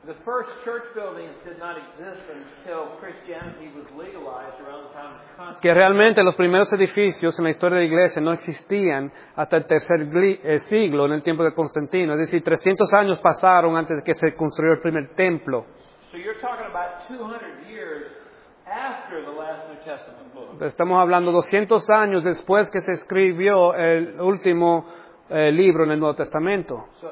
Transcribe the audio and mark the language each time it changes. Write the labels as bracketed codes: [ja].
[en] The first church buildings did not exist until Christianity was legalized around the time of Constantine. [es] Que realmente los primeros edificios en la historia de la iglesia no existían hasta el tercer siglo, en el tiempo de Constantino. Es decir, 300 años pasaron antes de que se construyó el primer templo. [en] So you're talking about 200 years after the last New Testament. [es] Estamos hablando 200 años después que se escribió el último libro en el Nuevo Testamento.